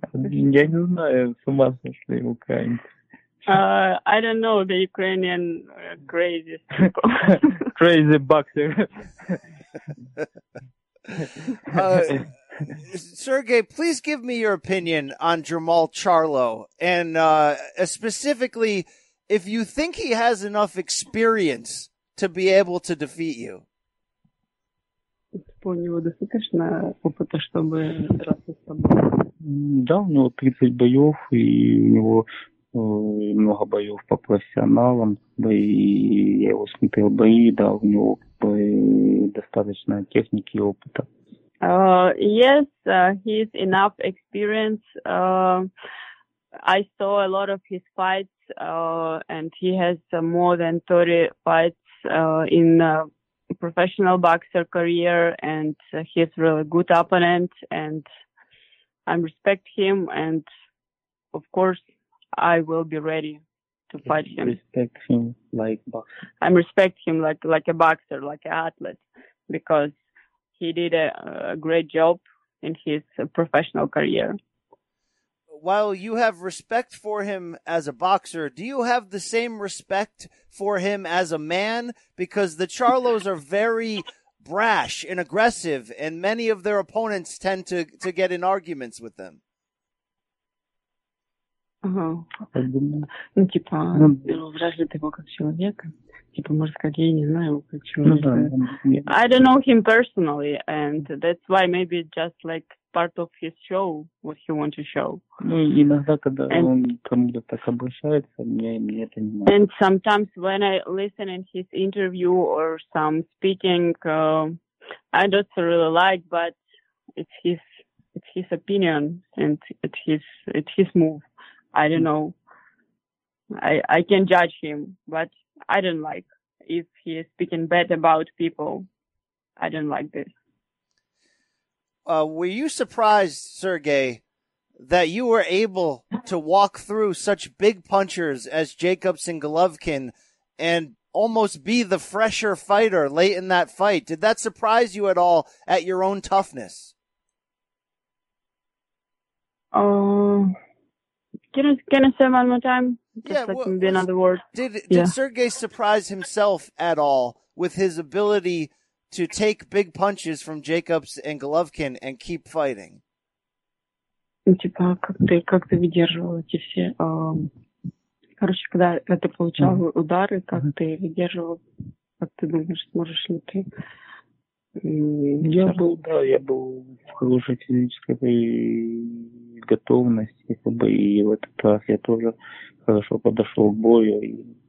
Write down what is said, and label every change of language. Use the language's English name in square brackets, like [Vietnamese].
[Russian] Я не знаю, с ума сошли украинцы. [English] I don't know the Ukrainian crazy crazy boxer. Sergey, please give me your opinion on Jermall Charlo, and specifically, if you think he has enough experience to be able to defeat you. [Russian] Да, у него 30 боев, и у него много боев по профессионалам, да, и я его смотрел бои, да, у него достаточно техники и опыта. [English] Yes, he has enough experience. I saw a lot of his fights, and he has more than 30 fights in a professional boxer career, and he's a really good opponent, and I respect him, and of course, I will be ready to fight him. Respect him like boxer. I respect him like a boxer, like an athlete, because he did a great job in his professional career. While you have respect for him as a boxer, do you have the same respect for him as a man? Because the Charlos are very brash and aggressive, and many of their opponents tend to get in arguments with them. [Russian] Ну, типа, вряд ли его как человека. Типа, может сказать, я не знаю его как человека. [English] I don't know him personally, and that's why maybe just like part of his show, what he wants to show. [Russian] Ну, иногда, когда он кому-то так обращается, мне это не надо. [English] And sometimes when I listen in his interview or some speaking, I don't really like, but it's his opinion and it's his move. I don't know. I can judge him, but I don't like if he is speaking bad about people. I don't like this. Were you surprised, Sergey, that you were able to walk through such big punchers as Jacobs and Golovkin and almost be the fresher fighter late in that fight? Did that surprise you at all at your own toughness? Can I say one more time? Just another word. Did Sergey surprise himself at all with his ability to take big punches from Jacobs and Golovkin and keep fighting? [Russian] Типа, как ты выдерживал эти все... Короче, когда ты получал удары, как ты выдерживал, как ты думаешь, сможешь ли ты... Я был в хорошей физической готовности, и в этот раз я тоже хорошо подошел к бою.